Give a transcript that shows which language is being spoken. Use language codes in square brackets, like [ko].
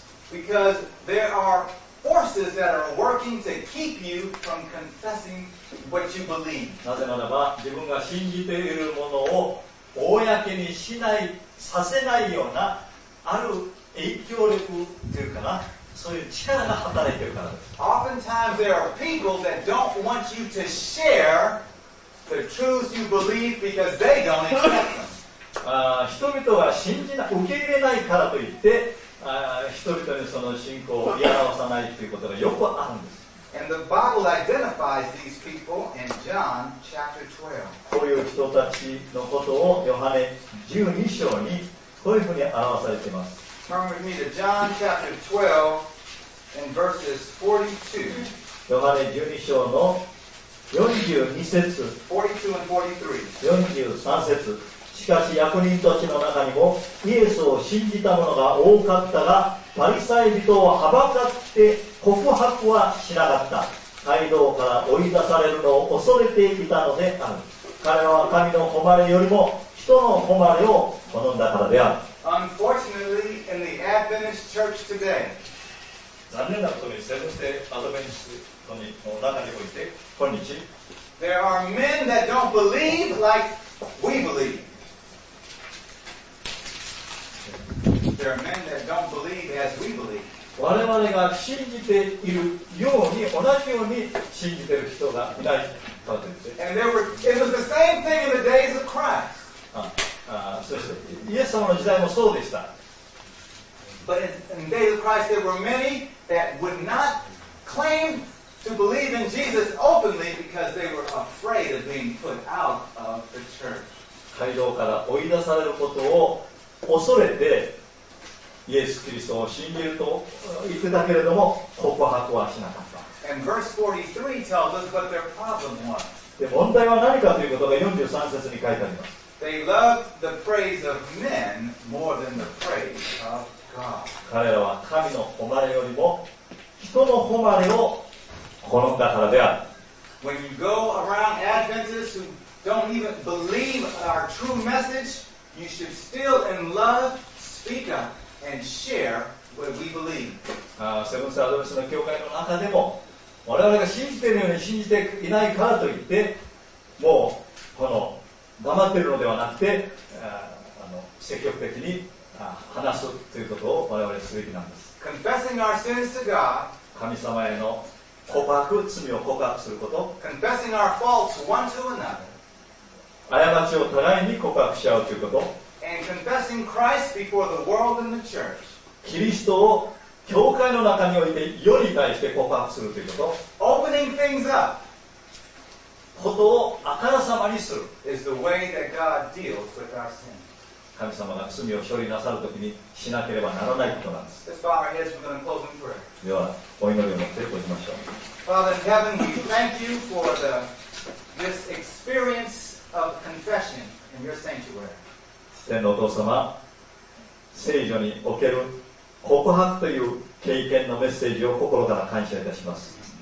[en] Because there are forces that are working to keep you from confessing what you believe. [ja] なぜならば、自分が信じているものを公にしない、させないようなある影響力というかな、そういう力が働いているからです。 [en] Oftentimes there are people that don't want you to share the truths you believe because they don't accept them. [ja] 人々が信じな、受け入れないからといって、人々にその信仰を嫌わさないということがよくあるんです。 [en] And the Bible identifies these people in John chapter 12. [ja] こういう人たちのことをヨハネ12章にこういうふうに表されています。 [en] Turn with me to John chapter 12 and verses 42. [ja] ヨハネ12章の42節、43節。しかし役人たちの中にもイエスを信じた者が多かったが、パリサイ人ははばかって告白はしなかった。街道から追い出されるのを恐れていたのである。彼は神の誉れよりも人の誉れを好んだからである。 [en] Unfortunately, in the Adventist church today, [ja] 残念なことにセブンデーアドベンチスの中において今日、 [en] There are men that don't believe like we believe. There are men that don't believe as we believe. [ja] 我々が信じているように同じように信じている人がいないわけです。 [en] And there were, it was the same thing in the days of Christ. [ja] そしてイエス様の時代もそうでした。 [en] But in the days of Christ, there were many that would not claimTo believe in Jesus openly because they were afraid of being put out of the church. [ja] 街道から追い出されることを恐れてイエス・キリストを信じると言ってたけれども告白はしなかった。 [en] And verse 43 tells us what their problem was. [ja] で、問題は何かということが43節に書いてあります。 [en] They loved the praise of men more than the praise of God. [ja] 彼らは神の誉れよりも人の誉れを好んだからである。 [en] When you go around Adventists who don't even believe our true message, you should still in love speak up and share where we believe. [ja] セブンスアドベストの教会の中でも我々が信じているように信じていないからといってもうこの黙っているのではなくて積極的に話すということを我々すべきなんです。 [en] Confessing our sins to God, [ja] 神様への告白、罪を告白すること、 [en] Confessing our faults one to another, [ja] 過ちを互いに告白し合うということ、 [en] And confessing Christ before the world and the church, [ja] キリストを教会の中において世に対して告白するということ、 [en] Opening things up, [ja] ことをあからさまにする、 [en] is the way that God deals with our sins. [ja] 神様が罪を処理なさるときにしなければならないことなんです。では、お祈りを持って閉じましょう。 [en] Father in heaven, we thank you for this experience of confession in your sanctuary. [ja] 天のお父様、聖所における告白という経験のメッセージを心から感謝いたします。